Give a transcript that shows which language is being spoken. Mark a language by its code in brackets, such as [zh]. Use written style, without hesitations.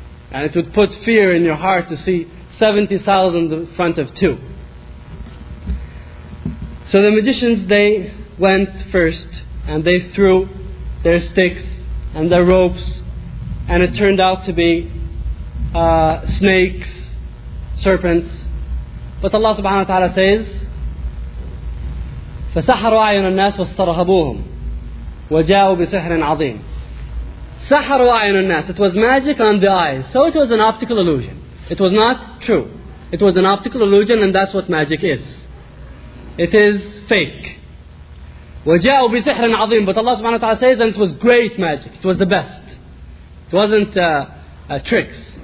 [en] And it would put fear in your heart to see 70,000 in front of two. So the magicians, they went first and they threw their sticks and their ropes, and it turned out to be snakes, serpents. But Allah subhanahu wa ta'ala says, [ar] فَسَحَرُوا عَيُنَ النَّاسِ وَاسْتَرْهَبُوهُمْ وَجَاءُوا بِسِحْرٍ عَظِيمٍ. سَحَرُوا عَيْنُ النَّاسِ. [en] It was magic on the eyes. So it was an optical illusion. It was not true. It was an optical illusion, and that's what magic is. It is fake. [ar] وَجَاءُوا بِسِحْرٍ عَظِيمٍ. [en] But Allah subhanahu wa ta'ala says, and it was great magic. It was the best. It wasn't tricks.